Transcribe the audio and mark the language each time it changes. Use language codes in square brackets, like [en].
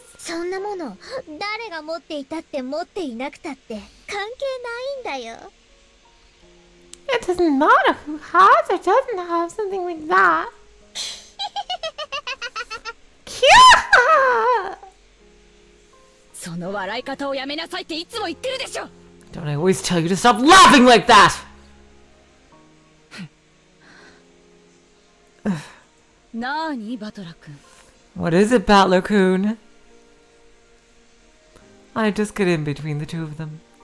[ja] そんなもの、誰が持っていたって持っていなくたって関係ないんだよ。 [en] It doesn't matter who has or doesn't have something like that. [ja] ヒャッハー、その笑い方をやめなさいっていつも言ってるでしょ。 [en] Don't I always tell you to stop laughing like that? [ja] なーに、バトラ君。 [en] What is it, Battler-kun? I just get in between the two of them.